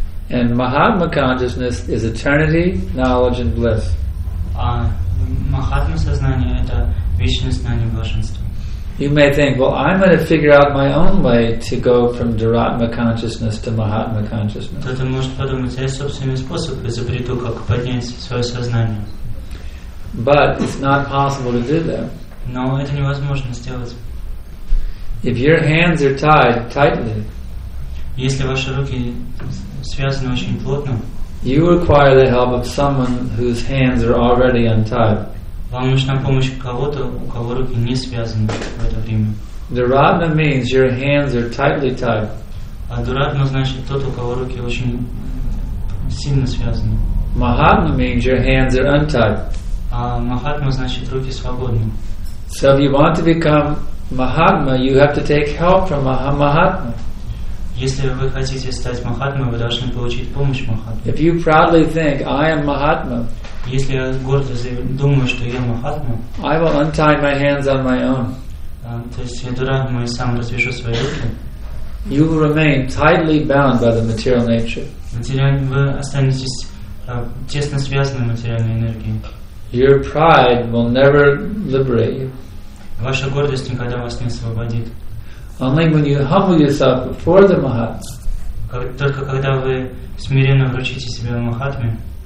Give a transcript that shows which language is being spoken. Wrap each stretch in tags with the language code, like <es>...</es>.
<en>And Mahatma consciousness is eternity, knowledge and bliss.</en> <ru>А махатма сознание — это вечное знание блаженства.</ru> <en>You may think, well, I'm going to figure out my own way to go from Dharatma consciousness to Mahatma consciousness.</en> <ru>Кто-то может подумать, я собственный способ изобрету, как поднять свое сознание.</ru> <en>But it's not possible to do that.</en> <ru>Но это невозможно сделать.</ru> <en>If your hands are tied tightly,</en> <ru>если ваши руки связаны очень плотно,</ru> <en>you require the help of someone whose hands are already untied.</en> <ru>Вам нужна помощь кого-то, у кого руки не связаны в это время.</ru> <en>Dharatma means your hands are tightly tied.</en> <ru>Адхуратма значит тот, у кого руки очень сильно связаны.</ru> <en>Mahatma means your hands are untied.</en> <ru>А Махатма значит руки свободны.</ru> <en>So if you want to become Mahatma, you have to take help from Mahatma.</en> <ru>Если вы хотите стать Махатмой, вы должны получить помощь Махатмы.</ru> <en>If you proudly think I am Mahatma,</en> <ru>если я гордо думаю, что я Махатма,</ru> <en>I will untie my hands on my own.</en> <ru>То есть я дурак, мой сам развяжу свои руки.</ru> <en>You will remain tightly bound by the material nature.</en> <ru>Вы останетесь тесно связаны материальной энергией.</ru> <en>Your pride will never liberate you.</en> <ru>Ваша гордость никогда вас не освободит.</ru> <en>Only when you humble yourself before the Mahatma.</en> <ru>Только когда вы смиренно вручите себя Махатме,</ru>